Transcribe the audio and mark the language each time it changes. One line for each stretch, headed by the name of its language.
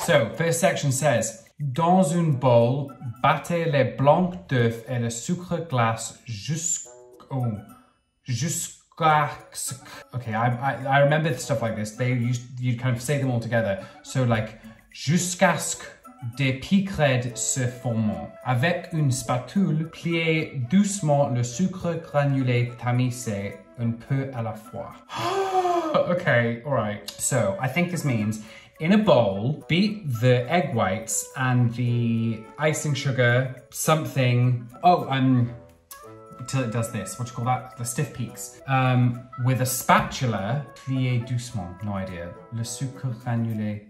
English: So, first section says,
French: dans une bowl, battez les blancs d'œufs et le sucre glace jusqu'à...
English: Okay, I remember stuff like this. They used, you'd kind of say them all together. So like,
French: jusqu'à ce que des picrèdes se forment. Avec une spatule, pliez doucement le sucre granulé tamisé un peu à la fois.
English: Okay, all right. So I think this means, in a bowl, beat the egg whites and the icing sugar, something. Oh, until it does this. What do you call that? The stiff peaks. With a spatula,
French: plier doucement.
English: No idea.
French: Le sucre granulé.